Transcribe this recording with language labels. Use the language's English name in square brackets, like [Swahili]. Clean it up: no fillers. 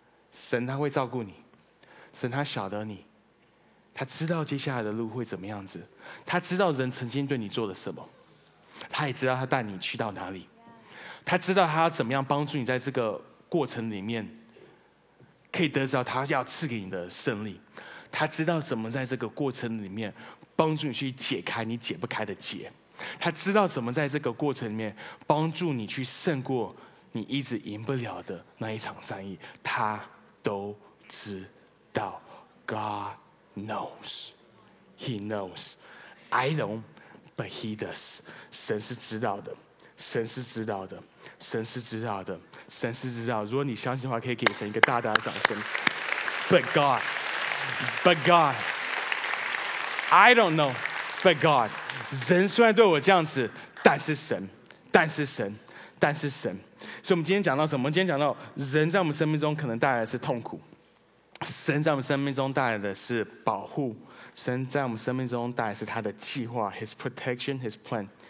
[Chinese] 神他会照顾你，神他晓得你，他知道接下来的路会怎么样子，他知道人曾经对你做了什么，他也知道他带你去到哪里，他知道他要怎么样帮助你在这个过程里面可以得到他要赐给你的胜利，他知道怎么在这个过程里面帮助你去解开你解不开的结，他他知道怎么在这个过程里面帮助你去胜过你一直赢不了的那一场战役，他都知道。 [English] God knows, He knows, I don't, but He does. [Chinese] 神是知道的，神是知道的，神是知道的，神是知道。如果你相信的话，可以给神一个大大的掌声。 [English] But God, but God, I don't know, but God. [Chinese] 人虽然对我这样子，但是神，但是神，但是神。所以我们今天讲到什么？今天讲到人在我们生命中可能带来的是痛苦，神在我们生命中带来的是保护，神在我们生命中带来的是他的计划， [English] His protection, His plan。